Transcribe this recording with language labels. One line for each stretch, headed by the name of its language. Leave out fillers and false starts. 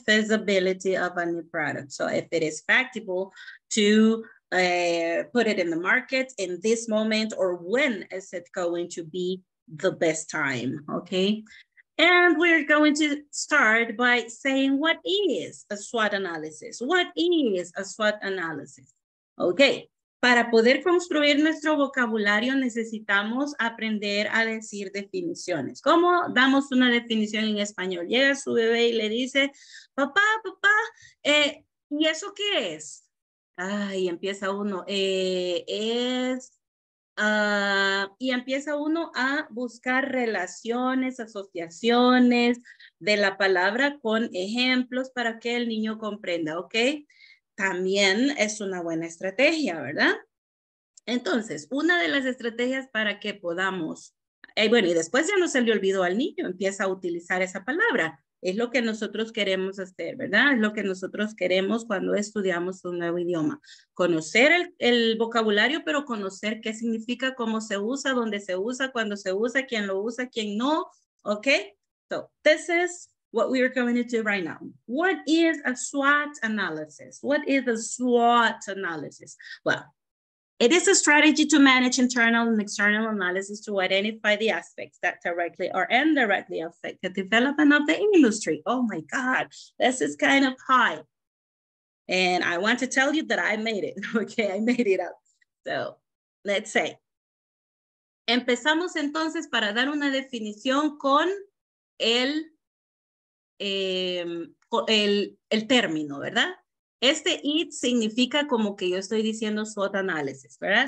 English: Feasibility of a new product. So if it is factible to put it in the market in this moment, or when is it going to be the best time, okay? And we're going to start by saying, what is a SWOT analysis? What is a SWOT analysis?
Spanish: Okay, para poder construir nuestro vocabulario necesitamos aprender a decir definiciones. ¿Cómo damos una definición en español? Llega su bebé y le dice, papá, papá, ¿y eso qué es? Ay, empieza uno, y empieza uno a buscar relaciones, asociaciones de la palabra con ejemplos para que el niño comprenda, okay. También es una buena estrategia, ¿verdad? Entonces, una de las estrategias para que podamos, bueno, y después ya no se le olvidó al niño, empieza a utilizar esa palabra. Es lo que nosotros queremos hacer, ¿verdad? Es lo que nosotros queremos cuando estudiamos un nuevo idioma. Conocer el vocabulario, pero conocer qué significa, cómo se usa, dónde se usa, cuándo se usa, quién lo usa, quién no, ¿ok?
English: So, this is what we are going to do right now. What is a SWOT analysis? What is a SWOT analysis? Well, it is a strategy to manage internal and external analysis to identify the aspects that directly or indirectly affect the development of the industry. Oh my God, this is kind of high. And I want to tell you that I made it, okay? I made it up. So let's say,
Spanish: empezamos entonces para dar una definición con el término, ¿verdad? Este it significa como que yo estoy diciendo SWOT analysis, ¿verdad?